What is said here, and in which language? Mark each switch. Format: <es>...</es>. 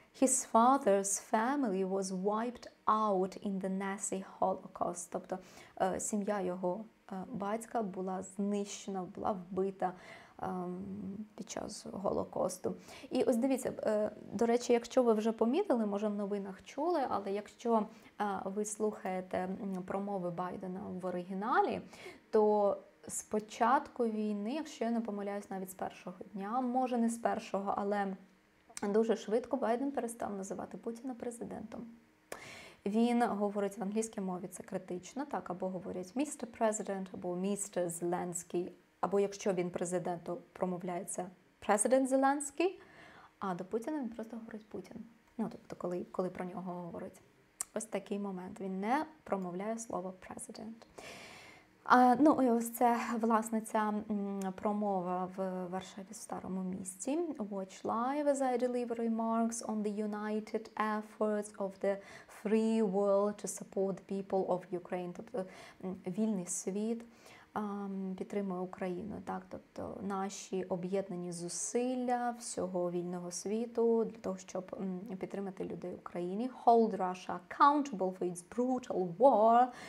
<en>His father's family was wiped out in the Nazi Holocaust.</en> <uk>Тобто сім'я його батька була знищена, була вбита під час Голокосту. І ось дивіться, до речі, якщо ви вже помітили, може в новинах чули, але якщо ви слухаєте промови Байдена в оригіналі, то з початку війни, якщо я не помиляюсь, навіть з першого дня, може не з першого, але дуже швидко Байден перестав називати Путіна президентом. Він говорить в англійській мові, це критично, так, або говорять «Містер Президент» або «Містер Зеленський», або якщо він президент, то промовляється «Президент Зеленський», а до Путіна він просто говорить «Путін». Ну, тобто, коли про нього говорить. Ось такий момент. Він не промовляє слово «президент». Ну, і ось це, власне, ця промова в Варшаві в Старому місті.</uk> <en>«Watch live as I deliver remarks on the united efforts of the free world to support the people of Ukraine».</en> <uk>Тобто, вільний світ підтримує Україну, так? Тобто, наші об'єднані зусилля всього вільного світу для того, щоб підтримати людей України.</uk> <en>«Hold Russia accountable for its brutal war».</en>